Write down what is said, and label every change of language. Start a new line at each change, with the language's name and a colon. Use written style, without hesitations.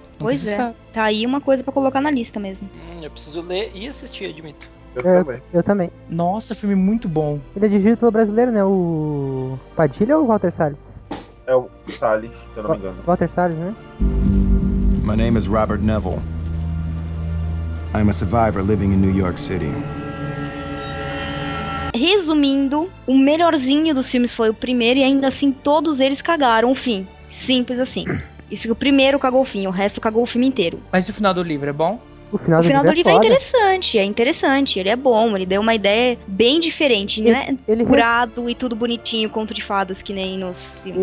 Portuguese: Não pois precisa. É, tá aí uma coisa pra colocar na lista mesmo. Eu preciso ler e assistir, admito. Eu também. Nossa, filme muito bom. Ele é dirigido pelo brasileiro, né? O Padilha ou o Walter Salles? É o Salles, se eu não me engano. Walter Salles, né?
English: My name is Robert Neville. I'm a survivor living in New York City.
Portuguese: Resumindo, o melhorzinho dos filmes foi o primeiro e ainda assim todos eles cagaram o fim. Simples assim. Isso que o primeiro cagou o fim, o resto cagou o filme inteiro. Mas e o final do livro, é bom? O final do livro é interessante, ele é bom, ele deu uma ideia bem diferente, ele, não é curado e tudo bonitinho, conto de fadas que nem nos filmes.